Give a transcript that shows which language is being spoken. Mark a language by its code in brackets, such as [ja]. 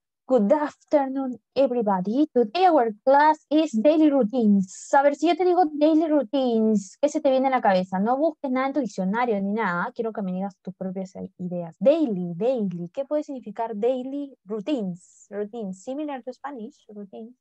[en] Good afternoon, everybody. Today our class is daily routines. [es] A ver, si yo te digo daily routines, ¿qué se te viene a la cabeza? No busques nada en tu diccionario ni nada. Quiero que me digas tus propias ideas. Daily. ¿Qué puede significar daily routines? [en] Routines, similar to Spanish, routines.